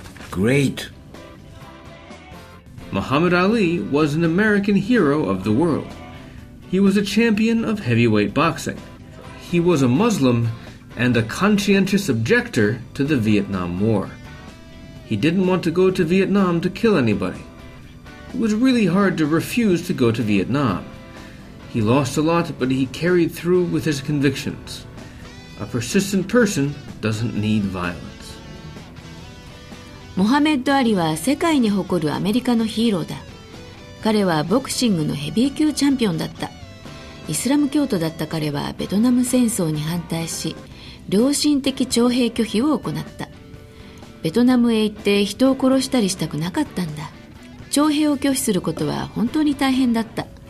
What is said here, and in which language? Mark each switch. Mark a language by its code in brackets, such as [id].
[en] Great. Muhammad Ali was an American hero of the world. He was a champion of heavyweight boxing. He was a Muslim and a conscientious objector to the Vietnam War. He didn't want to go to Vietnam to kill anybody. It was really hard to refuse to go to Vietnam. He lost a lot, but he carried through with his convictions. A persistent person doesn't need violence. [ja] モハメッド・アリは世界に誇るアメリカのヒーローだ。彼はボクシングのヘビー級チャンピオンだった。イスラム教徒だった彼はベトナム戦争に反対し、良心的徴兵拒否を行った。ベトナムへ行って人を殺したりしたくなかったんだ。徴兵を拒否することは本当に大変だった。